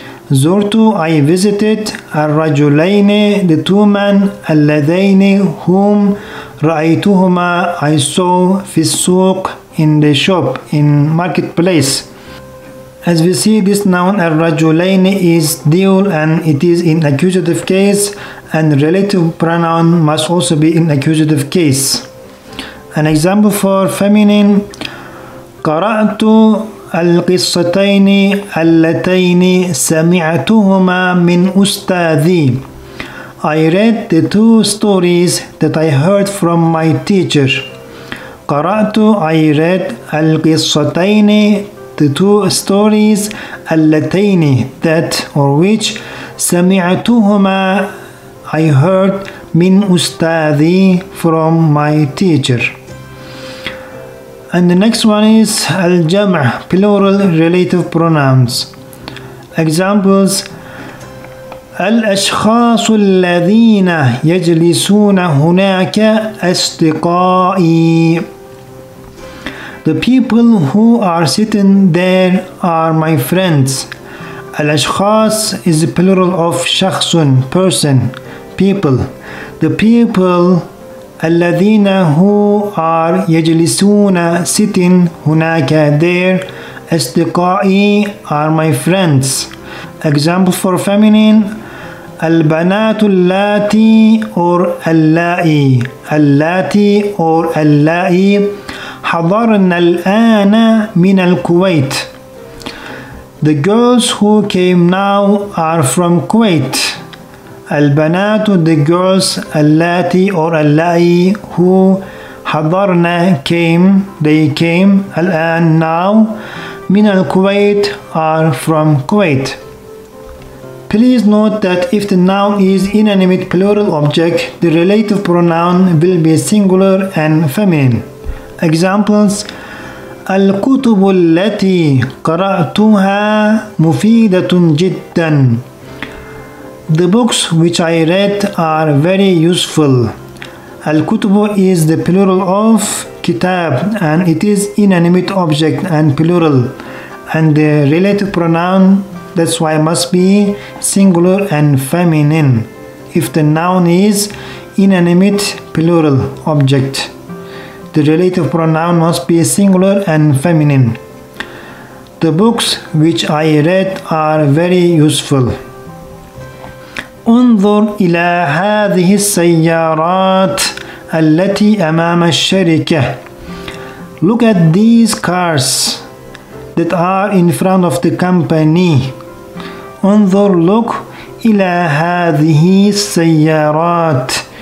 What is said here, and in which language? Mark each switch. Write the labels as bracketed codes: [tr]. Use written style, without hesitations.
[ar] Zurtu [en] I visited [ar] Ar-Rajulaini [en] the two men [ar] Alladhaini [en] whom [ar] رأيتهما [en] I saw [ar] في السوق [en] in the shop in marketplace. As we see, this noun الرجلين is dual and it is in accusative case, and relative pronoun must also be in accusative case. An example for feminine, [ar] قرأت القصتين اللتين سمعتهما من أستاذي. [en] I read the two stories that I heard from my teacher. [ar] قرأت [en] I read [ar] القصتين [en] the two stories [ar] اللتين [en] that or which [ar] سمعتهما [en] I heard [ar] من أستاذي [en] from my teacher. And the next one is الجمع plural relative pronouns. Examples [ar] الأشخاص الذين يجلسون هناك أصدقائي. [en] The people who are sitting there are my friends. الأشخاص is the plural of شخص, person, people. The people [ar] الذين [en] who are [ar] يجلسون [en] sitting [ar] هناك [en] there [ar] أصدقائي [en] are my friends. Example for feminine, [ar] البناتُ اللاتي [en] or [ar] اللائي. اللاتي [en] or [ar] اللائي حضرن الآن من الكويت. [en] The girls who came now are from Kuwait. [ar] البنات, [en] the girls, [ar] اللاتي [en] or [ar] اللائي, [en] who [ar] حضرنا, [en] came, they came, [ar] الآن, [en] now, [ar] من الكويت, [en] are from Kuwait. Please note that if the noun is inanimate plural object, the relative pronoun will be singular and feminine. Examples: [ar] الكتب التي قرأتها مفيدة جدا. [en] The books which I read are very useful. الكتب is the plural of كتاب and it is inanimate object and plural. And the relative pronoun, that's why it must be singular and feminine if the noun is inanimate plural object. The relative pronoun must be singular and feminine. The books which I read are very useful. [ar] انظر إلى هذه السيارات التي أمام الشركة. [en] Look at these cars that are in front of the company. [ar] انظر, [en] look, [ar] إلى هذه السيارات.